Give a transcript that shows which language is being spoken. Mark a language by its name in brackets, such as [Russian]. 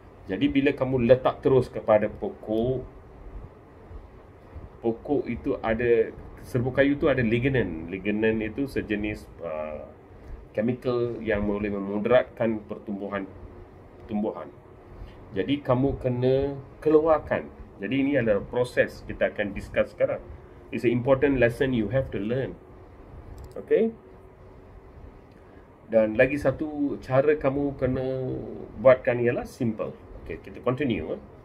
[Malay] Jadi bila kamu letak terus kepada pokok, pokok itu ada, serbuk kayu itu ada lignin. Lignin itu sejenis chemical yang boleh memudaratkan pertumbuhan tumbuhan. Jadi kamu kena keluarkan. Jadi ini adalah proses kita akan discuss sekarang. [English] It's an important lesson you have to learn. Okay. [Malay] Dan lagi satu cara kamu kena buatkan ialah simple. Okay, kita continue.